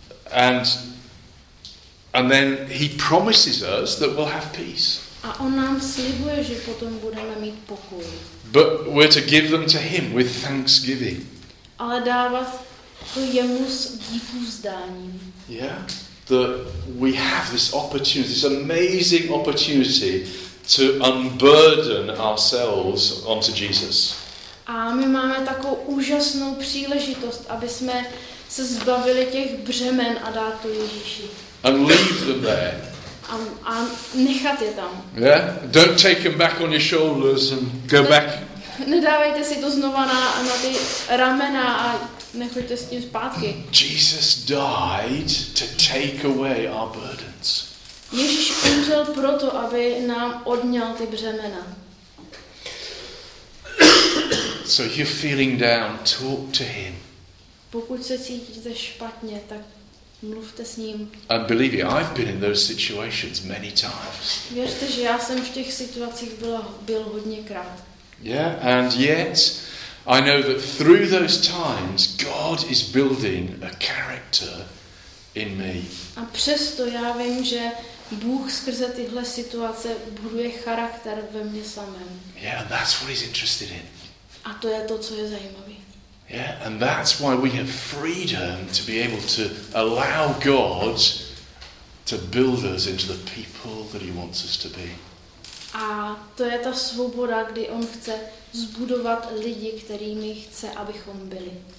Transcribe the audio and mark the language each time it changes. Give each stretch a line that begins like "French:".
English: And then he promises us that we'll have peace.
Czech: A on nám slibuje, že potom budeme mít pokoj.
English: But we're to give them to him with thanksgiving.
Czech: Ale dávat to jemu s díky vzdáním.
English: Yeah. That we have this opportunity, this amazing opportunity to unburden ourselves onto Jesus.
Czech: A my máme takovou úžasnou příležitost, aby jsme se zbavili těch břemen a dát to Ježíši.
English: And leave them there.
Czech: A nechat je tam.
English: Yeah? Don't take them back on your shoulders and go back.
Czech: Nedávejte si to znova na ty ramena a Nechoďte s tím zpátky.
English: Jesus died to take away our burdens.
Czech: Ježíš umřel proto, aby nám odňal ty břemena.
English: So you're feeling down, talk to him.
Czech: Pokud se cítíte špatně, tak mluvte s ním.
English: And believe me, I've been in those situations many times.
Czech: Věřte, že já jsem v těch situacích byl hodněkrát.
English: Yeah, and yet I know that through those times God is building a character in me.
Czech: A přesto já vím, že Bůh skrze tyhle situace buduje charakter ve mně samém.
English: Yeah, and that's what he's interested in.
Czech: A to je to, co je zajímavé.
English: Yeah, and that's why we have freedom to be able to allow God to build us into the people that he wants us to be.
Czech: A to je ta svoboda, kdy on chce zbudovat lidi, kterými chce, abychom byli.